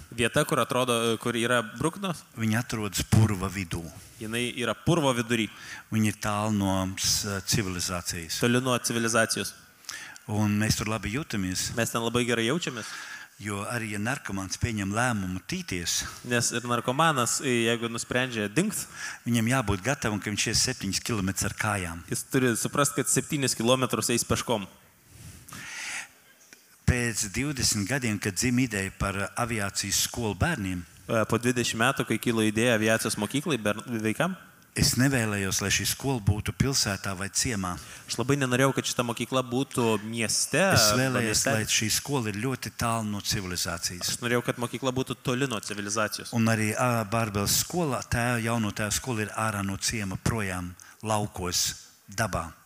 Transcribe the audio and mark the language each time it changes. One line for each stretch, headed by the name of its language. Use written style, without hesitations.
Lithuanian: Vieta, kur atrodo, kur yra Brukna.
Latvian: Viņa atrodas purva vidū.
Lithuanian: Jinai yra purvo vidury.
Latvian: Viņa ir tālu no civilizācijas.
Lithuanian: Toli no civilizācijos.
Latvian: Un mēs tur labi jūtamies.
Lithuanian: Mēs ten labai gerai jaučiamies.
Latvian: Jo arī ja narkomāns pieņem lēmumu tīties.
Lithuanian: Nes ir narkomānas, jeigu nusprendžia dingt.
Latvian: Viņam jābūt gatavam, ka viņš ies 7 km ar kājām.
Lithuanian: Jis turi suprast, kad 7 km eis peškom.
Latvian: Pēc 20 gadiem, kad dzim ideja par aviācijas skolu bērniem.
Lithuanian: Po 20 metų, kai kilo ideja aviācijas mokyklai vaikam.
Latvian: Es nevēlējos, lai šī skola būtu pilsētā vai ciemā.
Lithuanian: Es labai nenorėjau, kad šita mokykla būtu mieste.
Latvian: Es vēlējos, lai šī skola ir ļoti tālu no civilizācijas.
Lithuanian: Es norėjau, kad mokykla būtu toli no civilizācijos.
Latvian: Un arī Bārbeles skola, tā jauno tā skola ir ārā no ciema, projām, laukos, dabā.